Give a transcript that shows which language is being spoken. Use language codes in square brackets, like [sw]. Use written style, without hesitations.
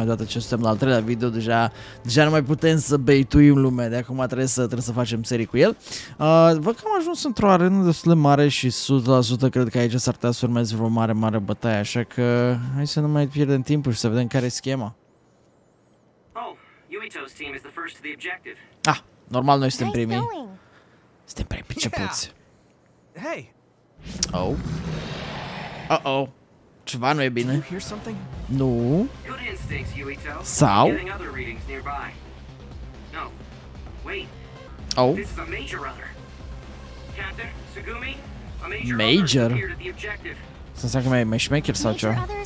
[ro] De data ce suntem la al treilea video, deja nu mai putem să baituim lumea. De acum trebuie să facem serie cu el. Văd că am ajuns într-o arenă destul de mare și 100% cred că aici s-ar putea să urmeze vreo mare bătaie. Așa că hai să nu mai pierdem timpul și să vedem care e schema. [en] Yuito's team is the first to the objective. [ro] Ah, normal, noi suntem primii. Suntem prea pricepuți. [en] Hey. [ro] Oh. Uh-oh. Ceva nu e bine. [en] Did you hear something? [ro] Nu. [en] Good instincts, Yuito. [ro] Sau? [en] Getting other readings nearby. No. Wait. Oh. This is a major runner. Captain, Sugumi, a major runner appeared at the objective. [ro] Să înseamnă că mai șmecher sau ceva.